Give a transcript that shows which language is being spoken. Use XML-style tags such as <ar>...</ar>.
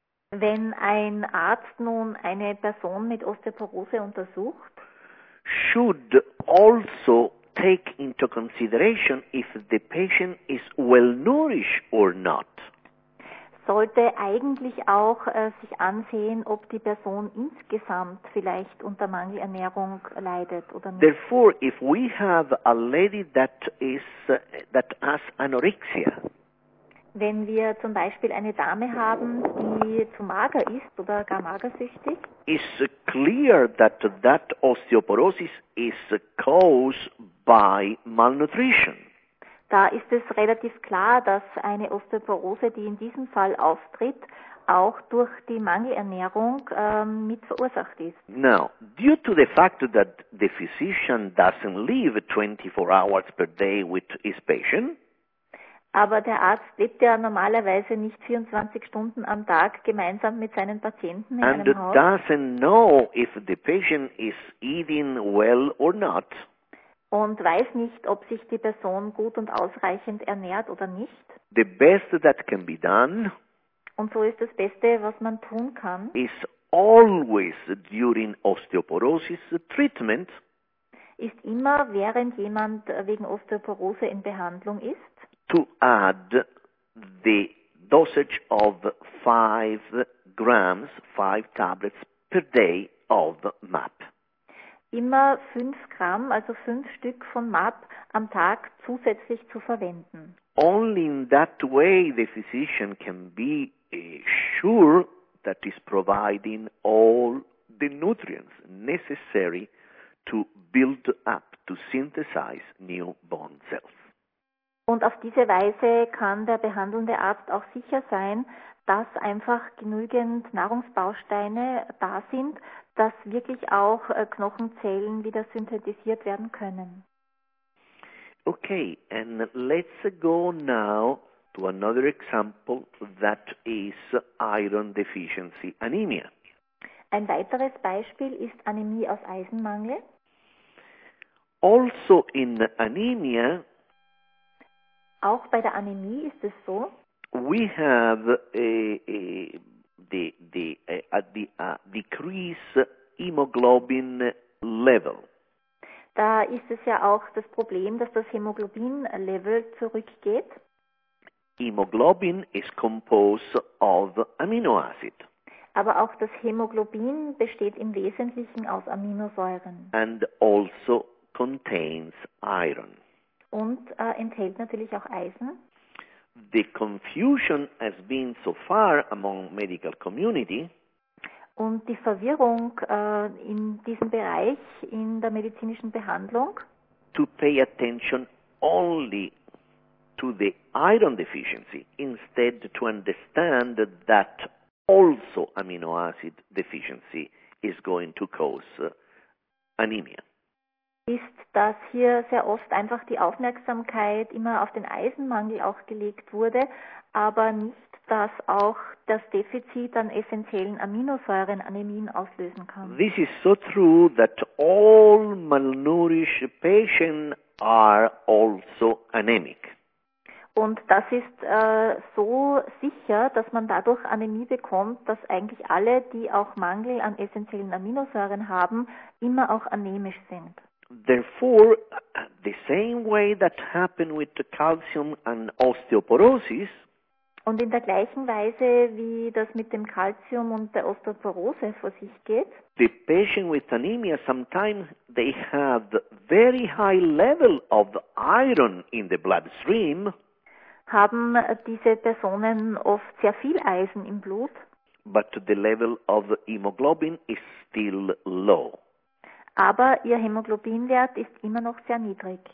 <de>wenn ein Arzt nun eine Person mit Osteoporose untersucht,</de> <en>should also take into consideration if the patient is well nourished or not.</en> <de>Sollte eigentlich auch sich ansehen, ob die Person insgesamt vielleicht unter Mangelernährung leidet oder nicht.</de> <en>Therefore, if we have a lady that is that has anorexia,</en> <de>wenn wir zum Beispiel eine Dame haben, die zu mager ist oder gar magersüchtig,</de> <en>is clear that that osteoporosis is caused by malnutrition.</en> <de>Da ist es relativ klar, dass eine Osteoporose, die in diesem Fall auftritt, auch durch die Mangelernährung mit verursacht ist.</de> <en>Now, due to the fact that the physician doesn't live 24 hours per day with his patient,</en> <de>aber der Arzt lebt ja normalerweise nicht 24 Stunden am Tag gemeinsam mit seinen Patienten in</de> <en>and</en> <de>einem Haus.</de> <en>And doesn't know if the patient is eating well or not.</en> <de>Und weiß nicht, ob sich die Person gut und ausreichend ernährt oder nicht.</de> <en>The best that can be done.</en> <de>Und so ist das Beste, was man tun kann.</de> <en>Is always during osteoporosis treatment.</en> <de>Ist immer, während jemand wegen Osteoporose in Behandlung ist.</de> <en>To add the dosage of 5 grams, 5 tablets per day of MAP.</en> <de>Immer 5 Gramm, also 5 Stück von MAP am Tag zusätzlich zu verwenden.</de> <en>Only in that way the physician can be sure that he's providing all the nutrients necessary to build up, to synthesize new bone cells.</en> <de>Und auf diese Weise kann der behandelnde Arzt auch sicher sein, dass einfach genügend Nahrungsbausteine da sind, dass wirklich auch Knochenzellen wieder synthetisiert werden können.</de> <en>Okay, and let's go now to another example that is iron deficiency anemia.</en> <de>Ein weiteres Beispiel ist Anämie aus Eisenmangel.</de> <en>Also in anemia,</en> <de>auch bei der Anämie ist es so,</de> <en>we have a decrease hemoglobin level.</en> <de>Da ist es ja auch das Problem, dass das Hämoglobin Level zurückgeht.</de> <en>Hemoglobin is composed of amino acid.</en> <de>Aber auch das Hämoglobin besteht im Wesentlichen aus Aminosäuren.</de> <en>And also contains iron.</en> <de>Und enthält natürlich auch Eisen.</de> <en>The confusion has been so far among medical community.</en> <de>Und die Verwirrung in diesem Bereich in der medizinischen Behandlung.</de> <en>To pay attention only to the iron deficiency instead to understand that also amino acid deficiency is going to cause anemia.</en> <de>Ist, dass hier sehr oft einfach die Aufmerksamkeit immer auf den Eisenmangel auch gelegt wurde, aber nicht, dass auch das Defizit an essentiellen Aminosäuren Anämien auslösen kann.</de> <en>This is so true that all malnourished patients are also anemic.</en> <de>Und das ist so sicher, dass man dadurch Anämie bekommt, dass eigentlich alle, die auch Mangel an essentiellen Aminosäuren haben, immer auch anämisch sind.</de> <en>Therefore, the same way that happened with calcium and osteoporosis,</en> <de>Und in der gleichen Weise, wie das mit dem Calcium und der Osteoporose vor sich geht?</de> <en>The patient with anemia, sometimes they have very high level of iron in the bloodstream.</en> <de>Haben diese Personen oft sehr viel Eisen im Blut?</de> <en>But the level of hemoglobin is still low.</en> <de>Aber ihr Hämoglobinwert ist immer noch sehr niedrig.</de>